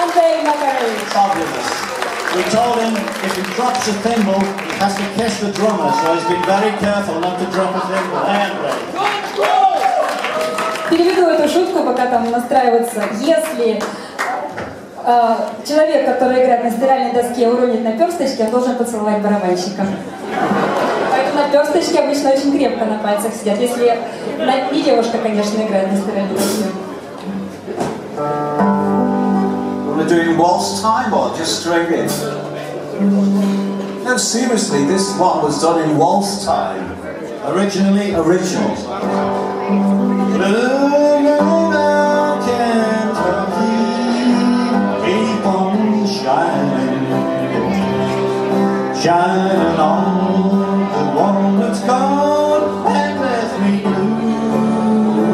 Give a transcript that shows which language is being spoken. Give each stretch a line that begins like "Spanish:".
English: We told him if he drops a thimble, he has to kiss the drummer, so he's been very careful not to drop a thimble.
Russian: Переведу эту шутку, пока там настраиваться. Если человек, который играет на стиральной доске, уронит наперсточки, он должен поцеловать барабанщика. Поэтому наперсточки обычно очень крепко на пальцах сидят. Если и девушка, конечно, играет на стиральной доске.
English: We're doing waltz time or just straight in? No, seriously, this one was done in waltz time. Originally? Original. Blue mountain turkey, keep on shining, shining on the one that's gone and left me blue.